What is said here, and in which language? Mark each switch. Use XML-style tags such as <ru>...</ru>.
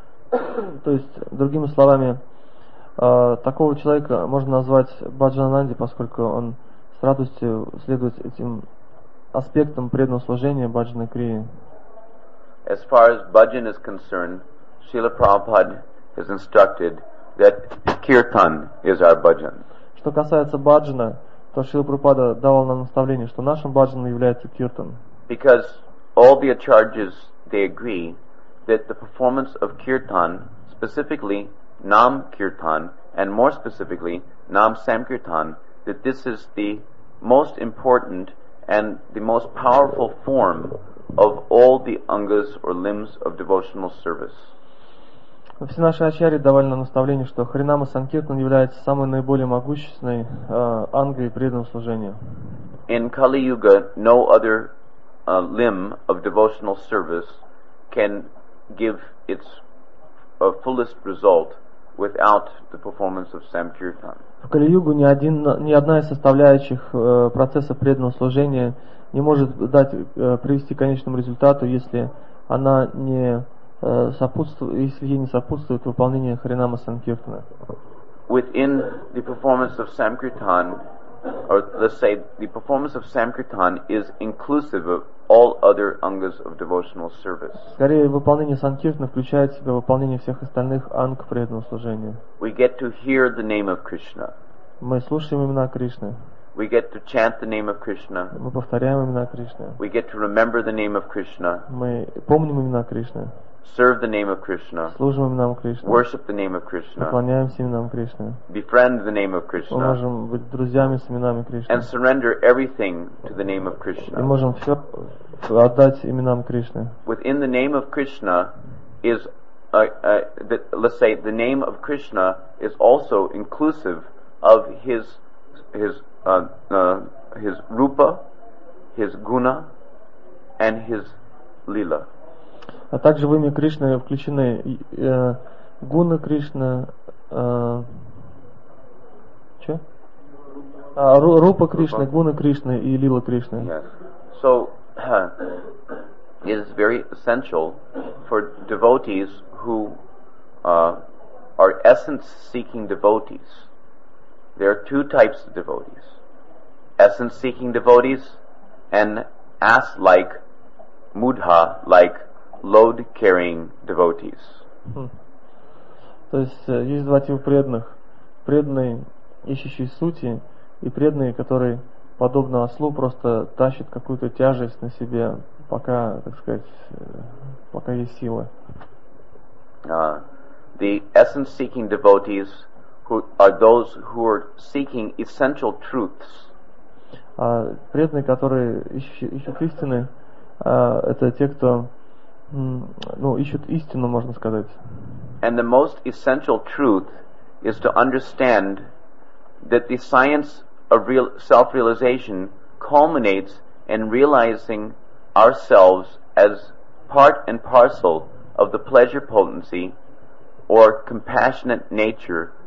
<ru>То есть, другими словами, такого человека можно назвать bhajananandi, поскольку он с радостью следует этим аспектам преданного служения bhajana kriya.</ru> <en>As far as bhajan is concerned, Srila Prabhupada has instructed that kirtan is our bhajan.</en> <ru>Что касается bhajana, то Шрила Прабхупада давал нам наставление, что нашим bhajanом является kirtan.</ru> <en>Because all the acharyas, they agree that the performance of kirtan, specifically nam kirtan, and more specifically nam samkirtan, that this is the most important and the most powerful form of all the angas or limbs of devotional service.</en> <ru>Все наши ачарьи давали нам наставление, что харинама санкиртан является самой наиболее могущественной ангой преданного служения.</ru> <en>In Kali Yuga, no other limb of devotional service can give its fullest result without the performance of samkirtan.</en> <ru>В Кали-Югу ни одна из составляющих процесса преданного служения не может привести к конечному результату, если она не сопутствует выполнению харинама санкиртана.</ru> <en>Within the performance of samkirtan, or let's say the performance of samkirtan is inclusive of all other angas of devotional service.</en> <ru>Скорее, выполнение санкиртана включает в себя выполнение всех остальных анг преданного служения.</ru> <en>We get to hear the name of Krishna.</en> <ru>Мы слушаем имена Кришны.</ru> <en>We get to chant the name of Krishna.</en> <ru>Мы повторяем имена Кришны.</ru> <en>We get to remember the name of Krishna.</en> <ru>Мы помним имена Кришны.</ru> <en>Serve the name of Krishna.</en> <ru>Служим именам Кришны.</ru> <en>Worship the name of Krishna.</en> <ru>Поклоняемся именам Кришны.</ru> <en>Befriend the name of Krishna.</en> <ru>Мы можем быть друзьями с именами Кришны.</ru> <en>And surrender everything to the name of Krishna.</en> <ru>И можем все отдать именам Кришны.</ru> <en>Within the name of Krishna is, let's say, the name of Krishna is also inclusive of his rupa, his guna, and his lila.</en> <ru>А также в имя Кришны включены гуна Кришна, рупа Кришны, гуна Кришны и лила Кришны.</ru> <en>Yes. So it is very essential for devotees who are essence-seeking devotees. There are two types of devotees: essence-seeking devotees and ass-like, mudha-like, load-carrying devotees.</en> <ru>То есть есть два типа преданных: преданные, ищущие сути, и преданные, которые подобно ослу просто тащат какую-то тяжесть на себе, пока, так сказать, пока есть силы.</ru> <en>The essence-seeking devotees who are those who are seeking essential truths.</en> <ru>Преданные, которые ищут истины, это те, кто ищут истину, можно сказать.</ru> <en>And the most essential truth is to understand that the science of real self-realization culminates in realizing ourselves as part and parcel of the pleasure potency or compassionate nature</en>